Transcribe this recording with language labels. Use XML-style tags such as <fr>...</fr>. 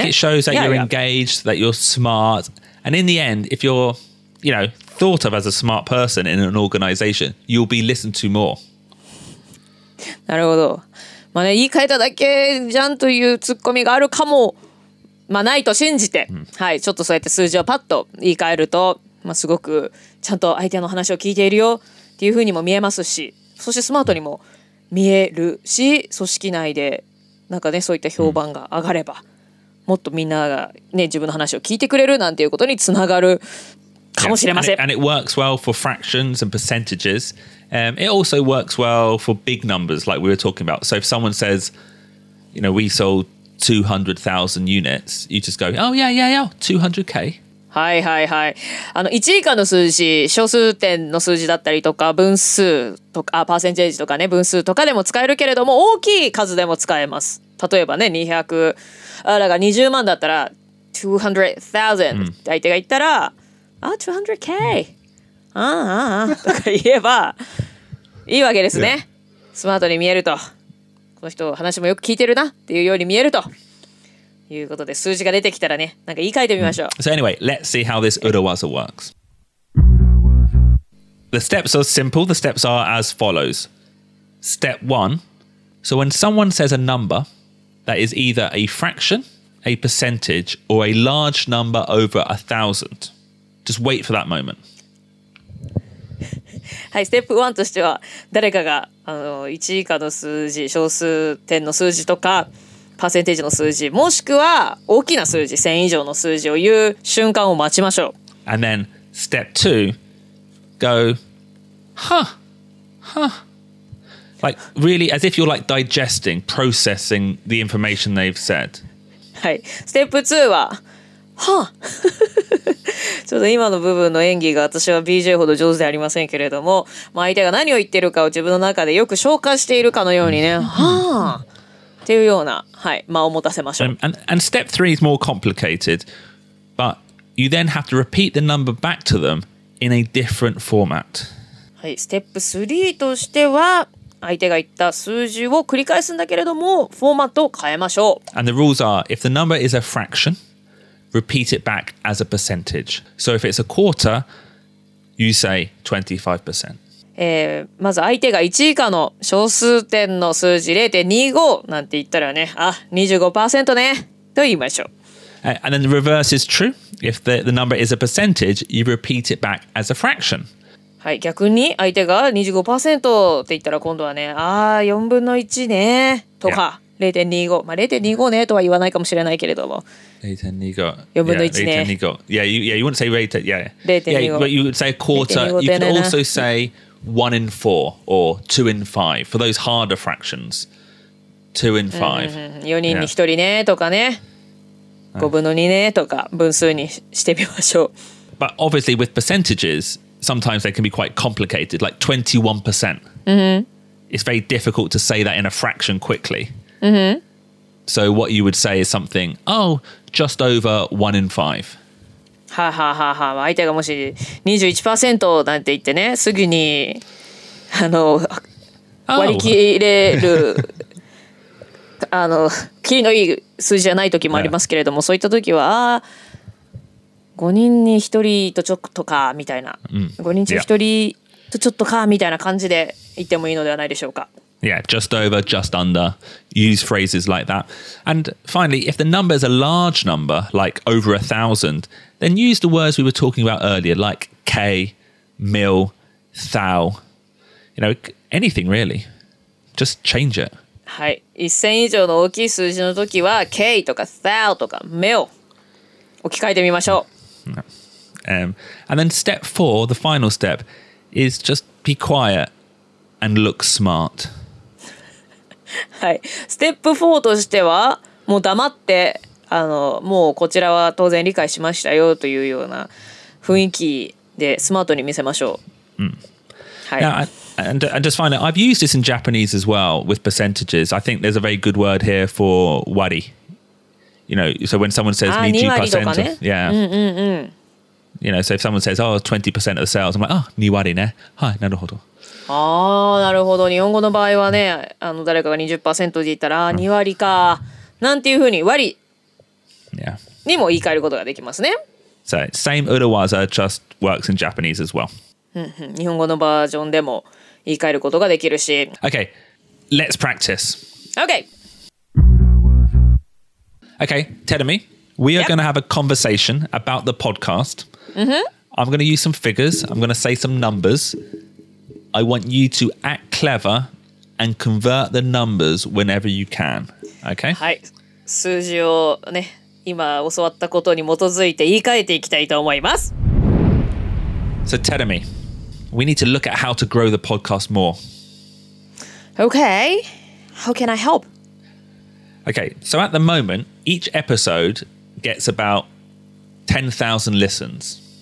<en>I think it shows that you're engaged, that you're smart, and in the end, if you're, you know, thought of as a smart person in an organization, you'll be listened to more.</en> <ja>なるほど、まあね、言い換えただけじゃんというツッコミがあるかも、まあ、ないと信じて、mm. はい、ちょっとそうやって数字をパッと言い換えると、まあ、すごくちゃんと相手の話を聞いているよっていうふうにも見えますし、そしてスマートにも見えるし、組織内でなんかね、そういった評判が上がれば、もっとみんながね、自分の話を聞いてくれるなんていうことにつながるかもしれません。</ja> <en>Yeah. And it works well for fractions and percentages. It also works well for big numbers like we were talking about. So if someone says, you know, we sold 200,000 units, you just go, oh yeah, yeah, yeah, 200K.</en> <ja>はいはいはい、あの1以下の数字、小数点の数字だったりとか分数とか、パーセンテージとかね、分数とかでも使えるけれども、大きい数でも使えます。例えばね、200、あらが20万だったら 200,000 って相手が言ったら、あ、mm. 200K、mm. あーあーあーとか言えばいいわけですね、yeah. スマートに見えると、この人話もよく聞いてるなっていうように見えるということで、数字が出てきたらね、なんか言い換えてみましょう。</ja> <en>So anyway, let's see how this urawaza works. The steps are simple. The steps are as follows. Step one. So when someone says a number that is either a fraction, a percentage, or a large number over 1,000, just wait for that moment.</en> <ja>はい、ステップ1としては誰かが1以下の数字、小数点の数字とかパーセンテージの数字、もしくは大きな数字、1000以上の数字を言う瞬間を待ちましょう。</ja> <en>And then step 2 go huh like really as if you're like digesting, processing the information they've said.</en> <ja>はい、ステップ2ははあ、ちょっと今の部分の演技が私は BJ ほど上手でありませんけれども、まあ、相手が何を言ってるかを自分の中でよく消化しているかのようにね、はあっていうような、はい、間を持たせましょう。</ja> <en>And step 3 is more complicated, but you then have to repeat the number back to them in a different format.</en> <ja>はい、ステップ3としては相手が言った数字を繰り返すんだけれどもフォーマットを変えましょう。</ja> <en>And the rules are, if the number is a fraction,Repeat it back as a percentage. So if it's a quarter, you say 25%.</en> <ja>まず相手が1以下の小数点の数字 0.25 なんて言ったらね、あ、25% ねと言いましょう。</ja> <en>And then the reverse is true. If the number is a percentage, you repeat it back as a fraction.</en> <ja>はい、逆に相手が 25% って言ったら今度はね、あ、4分の1ねとか。</ja> <en>Yeah.</en> <ja>0.25、まあ、0.25 ねとは言わないかもしれないけれども。 0.25。四分の一ね。</ja> <en>Yeah, you wouldn't say rate, yeah.</en> <ja>0.25。</ja> <en>But you would say quarter. You can also say 1 in 4 or 2 in 5 for those harder fractions. 2 in 5。</en> <ja>四人に一人ねとかね。五分の二ねとか分数にしてみましょう。</ja> <en>But obviously with percentages, sometimes they can be quite complicated. Like 21%. It's very difficult to say that in a fraction quickly. So what you would say is something, oh, just over 1 in 5.</en> <ja>はははは、相手がもし 21% なんて言ってね、すぐにあの、oh. 割り切れるあの、キリのいい数字じゃない時もありますけれども、yeah. そういった時は、5人に1人とちょっとかみたいな、5人中1人とちょっとかみたいな感じで言ってもいいのではないでしょうか。</ja> <en>Yeah, just over, just under. Use phrases like that. And finally, if the number is a large number, like over 1,000, then use the words we were talking about earlier, like K, mil, thou, you know, anything really. Just change it.</en> <ja>はい。1000以上の大きい数字の時は K とか thou とか mil 置き換えてみましょう。</ja> <en>And then step 4, the final step, is just be quiet and look smart.</en> <ja>はい、ステップ4としてはもう黙ってあのもうこちらは当然理解しましたよというような雰囲気でスマートに見せましょう。はい。</ja> <en>Now, and just finally, I've used this in Japanese as well with percentages. I think there's a very good word here for 割. You know, so when someone says 20%, yeah. You know, so if someone says, oh, 20% of the sales, I'm like, oh,</en> <ja>2割ね。はい、なるほど。あー、なるほど。日本語の場合はね、あの誰かが 20% で言ったら、2割か。なんていうふうに、割にも言い換えることができますね。</ja> <en>So, same urawaza just works in Japanese as well.</en> <ja>日本語のバージョンでも言い換えることができるし。</ja> <en>Okay, let's practice. Okay. Okay, Terumi, we are going to have a conversation about the podcast. I'm going to use some figures. I'm going to say some numbers. I want you to act clever and convert the numbers whenever you can. Okay?</en> <ja>はい。数字をね、今教わったことに基づいて言い換えていきたいと思います。</ja> <en>So, Terumi, we need to look at how to grow the podcast more. Okay. How can I help? Okay. So, at the moment, each episode gets about 10,000 listens.</en>